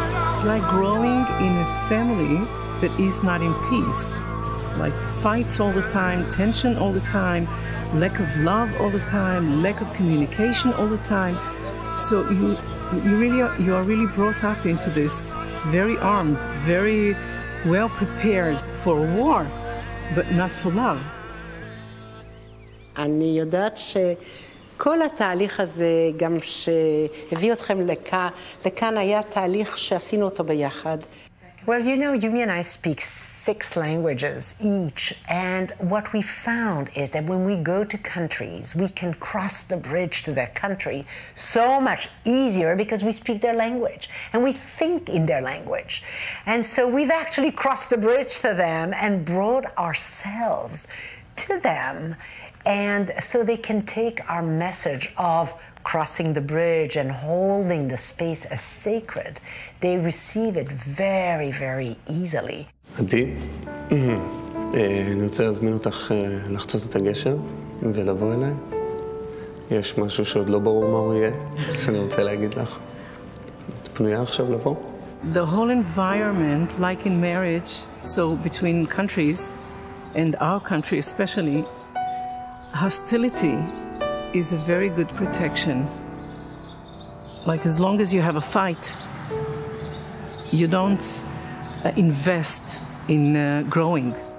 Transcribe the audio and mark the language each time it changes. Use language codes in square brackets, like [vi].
[en] It's like growing in a family that is not in peace, like fights all the time, tension all the time, lack of love all the time, lack of communication all the time. So you are really brought up into this very armed, very well prepared for war, but not for love. [he] אני יודעת שכל התהליך הזה גם שהביא אתכם לכאן היה תהליך שעשינו אותו ביחד. [en] Well, you know, Yumi and I speak 6 languages each, and what we found is that when we go to countries, we can cross the bridge to that country so much easier because we speak their language and we think in their language. And so we've actually crossed the bridge to them and brought ourselves to them, and so they can take our message of crossing the bridge and holding the space as sacred. They receive it very, very easily. [he] עדי, אני רוצה להזמין אותך לחצות את הגשר ולבוא אליי. יש משהו שעוד לא ברור מה הוא יהיה, שאני רוצה להגיד לך. את פנויה עכשיו לבוא? [en] The whole environment, like in marriage, so between countries, and our country especially, hostility is a very good protection. Like, as long as you have a fight, you don't invest in growing.